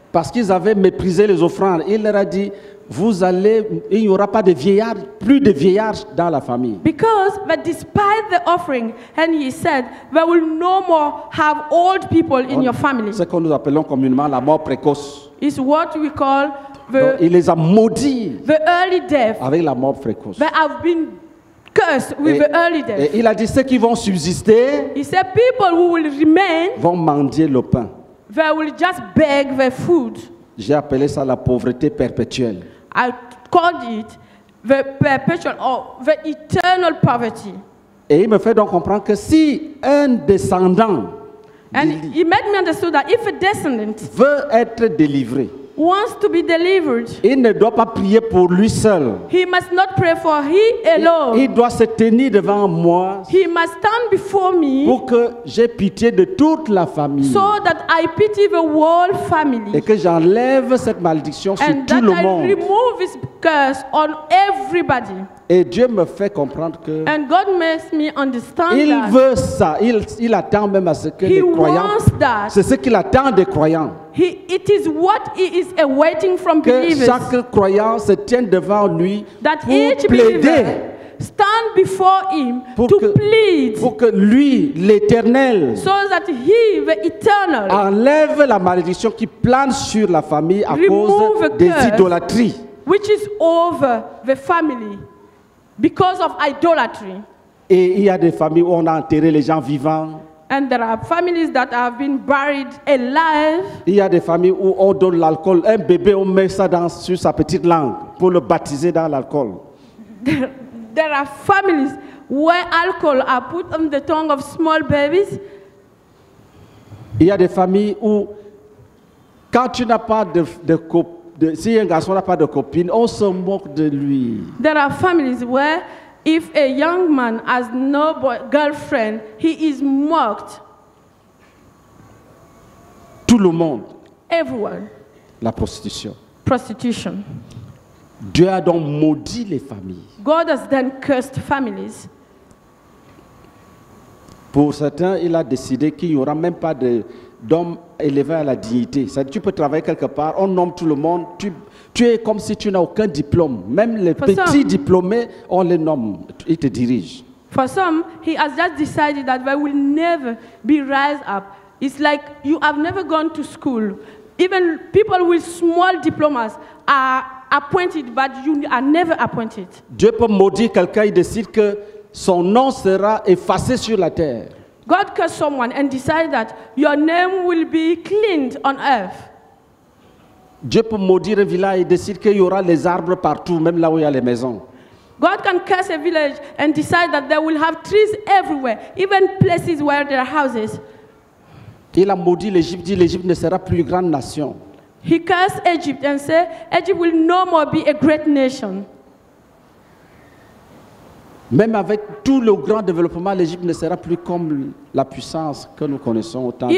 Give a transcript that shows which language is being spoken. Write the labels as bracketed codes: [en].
[fr] Parce qu'ils avaient méprisé les offrandes, il leur a dit, vous allez, il n'y aura pas de vieillards, plus de vieillards dans la famille. [en] Because they despised the offering, and he said, there will no more have old people in your family. [fr] C'est ce que nous appelons communément la mort précoce. [en] It's what we call the, [fr] donc, il les a maudits [en] the early death, [fr] avec la mort précoce. [en] They have been cursed with the early death. [fr] Et il a dit, ceux qui vont subsister, [en] he said, people who will remain, [fr] vont mendier le pain. [en] They will just beg their food. [fr] J'ai appelé ça la pauvreté perpétuelle. [en] I called it the perpetual or the eternal poverty. [fr] Et il me fait donc comprendre que si un descendant [en] and he made me understand that if a descendant [fr] veut être délivré, [en] wants to be delivered, [fr] il ne doit pas prier pour lui seul. [en] He must not pray for he alone. [fr] Il doit se tenir devant moi. [en] He must stand before me. [fr] Pour que j'ai pitié de toute la famille. [en] So that I pity the whole family. [fr] Et que j'enlève cette malédiction [en] and [fr] sur tout le monde. [en] And that I remove this curse on everybody. [fr] Et Dieu me fait comprendre que [en] and God makes me understand [fr] il [en] that [fr] veut ça. Il attend même à ce que [en] he [fr] les croyants. [en] Wants that. [fr] C'est ce qu'il attend des croyants. [en] He, it is what he is awaiting from [fr] que [en] believers. [fr] Chaque croyant se tient devant lui [en] that [fr] pour [en] each [fr] plaider. [en] Stand before him [fr] pour [en] to [fr] que, [en] plead. [fr] Pour que lui, l'éternel, [en] so that he, the eternal, [fr] enlève la malédiction qui plane sur la famille à cause des idolâtries. [en] Which is over the family because of idolatry. [fr] Et il y a des familles où on a enterré les gens vivants. [en] And there are families that have been buried alive. [fr] Il y a des familles où on donne l'alcool. Un bébé, on met ça dans, sur sa petite langue pour le baptiser dans l'alcool. [en] There are families where alcohol are put on the tongue of small babies. [fr] Il y a des familles où quand tu n'as pas de copine, si un garçon n'a pas de copine, on se moque de lui. [en] There are families where if a young man has no boy, girlfriend, he is mocked. [fr] Tout le monde. [en] Everyone. [fr] La prostitution. [en] Prostitution. [fr] Dieu a donc maudit les familles. [en] God has then cursed families. [fr] Pour certains, il a décidé qu'il n'y aura même pas de d'hommes élevés à la dignité. C'est-à-dire, tu peux travailler quelque part, on nomme tout le monde, tu es comme si tu n'as aucun diplôme. Même les [en] for [fr] petits [en] some, [fr] diplômés, on les nomme, ils te dirigent. [en] For some, he has just decided that they will never be raised up. It's like you have never gone to school. Even people with small diplomas are appointed, but you are never appointed. [fr] Dieu peut maudire quelqu'un, il décide que son nom sera effacé sur la terre. [en] God curse someone and decide that your name will be cleaned on earth. [fr] Dieu peut maudire un village et décide qu'il y aura les arbres partout, même là où il y a les maisons. [en] God can curse a village and decide that they will have trees everywhere, even places where there are houses. [fr] Il a maudit l'Égypte, dit l'Égypte ne sera plus une grande nation. [en] He cursed Egypt and say Egypt will no more be a great nation. [fr] Même avec tout le grand développement, l'Égypte ne sera plus comme la puissance que nous connaissons au temps